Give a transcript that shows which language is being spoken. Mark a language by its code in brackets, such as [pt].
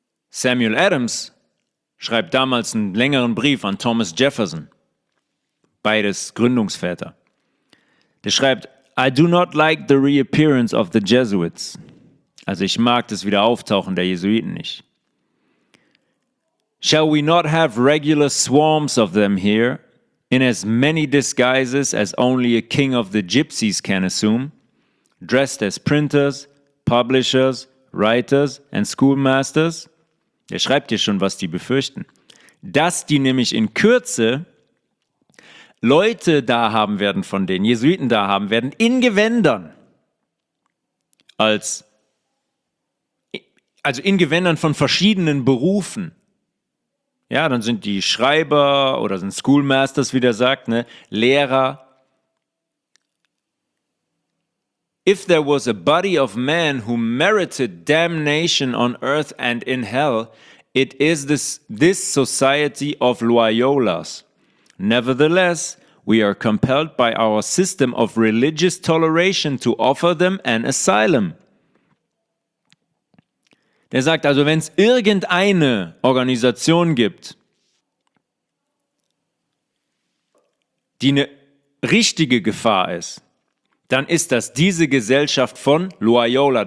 [de] Samuel Adams schreibt damals einen längeren Brief an Thomas Jefferson, beides Gründungsväter. Der schreibt: [en] I do not like the reappearance of the Jesuits. [de] Also ich mag das Wiederauftauchen der Jesuiten nicht. [en] Shall we not have regular swarms of them here, in as many disguises as only a king of the gypsies can assume, dressed as printers, publishers, writers and schoolmasters? [de] Er schreibt hier schon, was die befürchten. Dass die nämlich in Kürze Leute da haben werden von denen, Jesuiten da haben werden, in Gewändern. Also in Gewändern von verschiedenen Berufen. Ja, dann sind die Schreiber oder sind Schoolmasters, wie der sagt, ne, Lehrer. [en] If there was a body of men who merited damnation on earth and in hell, it is this society of Loyolas. Nevertheless, we are compelled by our system of religious toleration to offer them an asylum. [de] Der sagt also, wenn es irgendeine Organisation gibt, die eine richtige Gefahr ist, dann ist das diese Gesellschaft von Loyola.